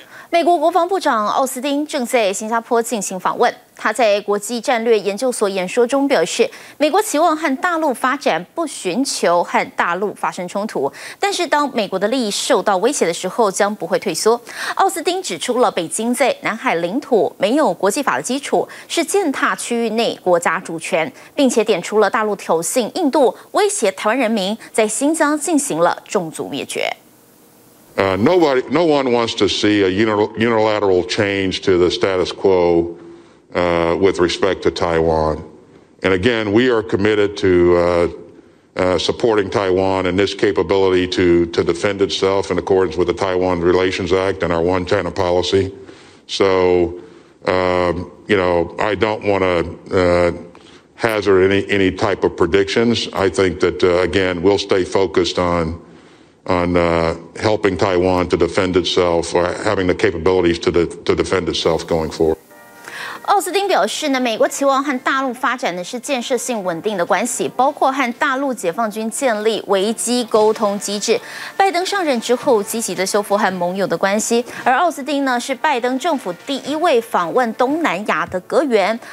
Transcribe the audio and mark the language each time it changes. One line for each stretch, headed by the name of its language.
Chinese: 美国国防部长奥斯汀正在新加坡进行访问，他在国际战略研究所演说中表示，美国期望和大陆发展不寻求和大陆发生冲突，但是当美国的利益受到威胁的时候将不会退缩。奥斯汀指出了北京在南海领土没有国际法的基础，是践踏区域内国家主权，并且点出了大陆挑衅印度，威胁台湾人民，在新疆进行了种族灭绝。
English: No one wants to see a unilateral change to the status quo with respect to Taiwan. And again, we are committed to supporting Taiwan and this capability to defend itself in accordance with the Taiwan Relations Act and our One China policy. So, I don't want to hazard any type of predictions. I think that, again, we'll stay focused on helping Taiwan to defend itself or having the capabilities to defend itself going forward.
Chinese: 奥斯汀表示呢，美国期望和大陆发展的是建设性稳定的关系，包括和大陆解放军建立危机沟通机制。拜登上任之后积极的修复和盟友的关系，而奥斯汀呢是拜登政府第一位访问东南亚的阁员。